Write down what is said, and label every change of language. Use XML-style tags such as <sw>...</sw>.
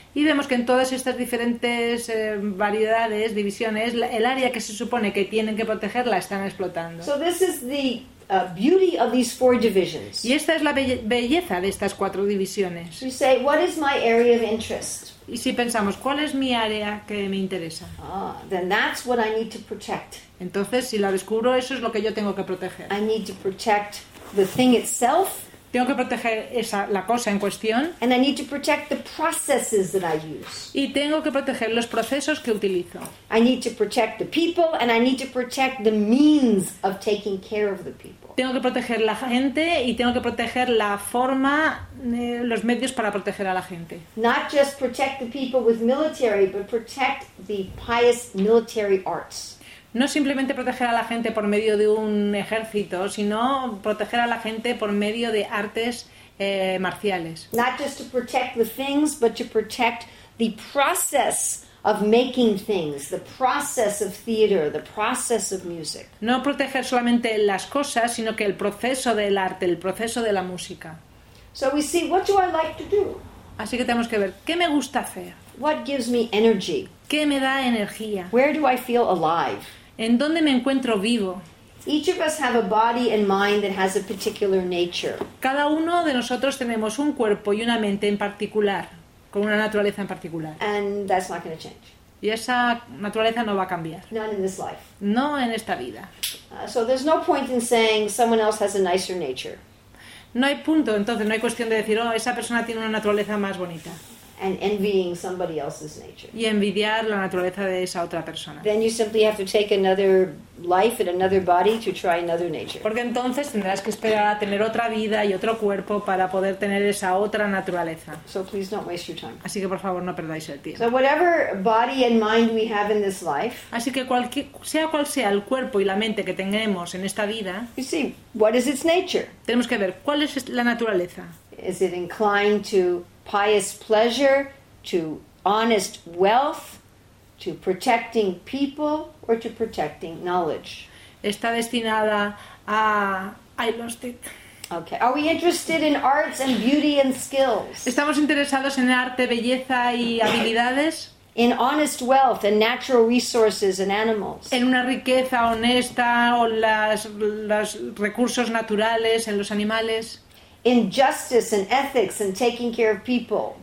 <es>Y vemos que en todas estas diferentes variedades, divisiones, el área que se supone que tienen que proteger la están explotando.</es> <en>So this is the beauty of these four divisions.</en> <es>Y esta es la belleza de estas cuatro divisiones.</es> <en>You say, what is my area of interest?</en> <es>Y si pensamos, ¿cuál es mi área que me interesa?</es> <en>Ah, then that's what I need to protect.</en> <es>Entonces, si la descubro, eso es lo que yo tengo que proteger.</es> <en>I need to protect the thing itself.</en> <es>Tengo que proteger esa, la cosa en cuestión.</es> <en>And I need to protect the processes that I use.</en> <es>Y tengo que proteger los procesos que utilizo.</es> <en>I need to protect the people and I need to protect the means of taking care of the people.</en> <es>Tengo que proteger la gente y tengo que proteger la forma, los medios para proteger a la gente.</es> <en>Not just protect the people with military, but protect the pious military arts.</en> <es>No simplemente proteger a la gente por medio de un ejército, sino proteger a la gente por medio de artes marciales.</es> <en>Not just to protect the things, but to protect the process of making things, the process of theater, the process of music.</en> <es>No proteger solamente las cosas, sino que el proceso del arte, el proceso de la música.</es> <en>So we see, what do I like to do?</en> <es>Así que tenemos que ver, ¿qué me gusta hacer?</es> <en>What gives me energy?</en> <es>¿Qué me da energía?</es> <en>Where do I feel alive?</en> <es>¿En dónde me encuentro vivo?</es> <en>Each of us have a body and mind that has a particular nature.</en> <es>Cada uno de nosotros tenemos un cuerpo y una mente en particular, con una naturaleza en particular.</es> <en>And that's not going to change.</en> <es>Y esa naturaleza no va a cambiar.</es> <en>Not in this life.</en> <es>No en esta vida.</es> <en>So there's no point in saying someone else has a nicer nature.</en> <es>No hay punto, entonces, no hay cuestión de decir, oh, esa persona tiene una naturaleza más bonita.</es> <en>And envying somebody else's nature.</en> <es>Y envidiar la naturaleza de esa otra persona.</es> <en>Then you simply have to take another life and another body to try another nature.</en> <es>Porque entonces tendrás que esperar a tener otra vida y otro cuerpo para poder tener esa otra naturaleza.</es> <en>So please don't waste your time.</en> <es>Así que por favor no perdáis el tiempo.</es> <en>So whatever body and mind we have in this life.</en> <es>Así que sea cual sea el cuerpo y la mente que tengamos en esta vida.</es> <en>You see, what is its nature?</en> <es>Tenemos que ver cuál es la naturaleza.</es> <en>Is it inclined to pious pleasure, to honest wealth, to protecting people, or to protecting knowledge?</en> <es>Está destinada a...</es> <en>I lost it. Okay. Are we interested in arts and beauty and skills?</en> <es>¿Estamos interesados en arte, belleza y habilidades?</es> <en>In honest wealth and natural resources and animals.</en> <es>En una riqueza honesta o los recursos naturales en los animales.</es> <en>In justice and ethics and taking care of people.</en>